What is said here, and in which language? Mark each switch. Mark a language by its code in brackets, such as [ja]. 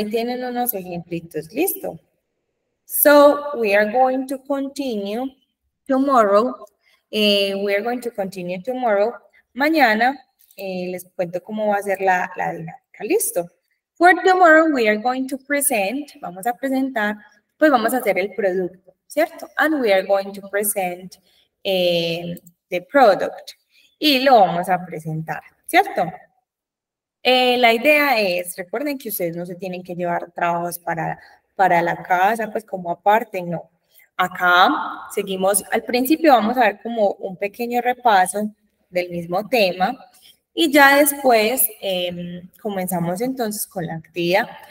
[es] Ahí tienen unos ejemplitos, listo. [en] So, we are going to continue tomorrow. We are going to continue tomorrow. [es] Mañana les cuento cómo va a ser la dinámica. Listo. [en] For tomorrow, we are going to present. [es] Vamos a presentar, pues vamos a hacer el producto, ¿cierto? [en] And we are going to present the product. [es] Y lo vamos a presentar, ¿cierto? La idea es, recuerden que ustedes no se tienen que llevar trabajos para la casa, pues como aparte, no. Acá seguimos, al principio vamos a ver como un pequeño repaso del mismo tema y ya después comenzamos entonces con la actividad.